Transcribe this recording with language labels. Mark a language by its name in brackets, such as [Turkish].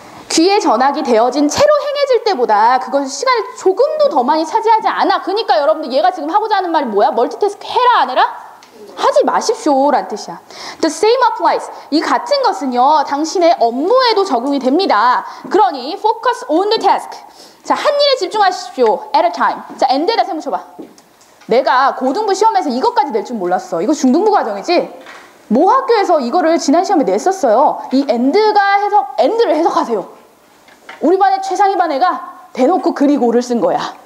[Korean] 귀에 전하기 되어진 채로 행해질 때보다 그건 시간을 조금도 더 많이 차지하지 않아. 그러니까 여러분들 얘가 지금 하고자 하는 말이 뭐야? 멀티태스크 해라 안 해라? 하지 마십시오 라는 뜻이야. [English] The same applies. [Korean] 이 같은 것은요 당신의 업무에도 적용이 됩니다. 그러니 [English] focus on the task. [Korean] 자, 한 일에 집중하십시오. [English] At a time. [Korean] 자, and에다 세 묻혀봐. 내가 고등부 시험에서 이것까지 낼 줄 몰랐어. 이거 중등부 과정이지? 모 학교에서 이거를 지난 시험에 냈었어요. 이 and가 해석, and를 해석하세요. 우리 반의 최상위 반 애가 대놓고 그리고를 쓴 거야.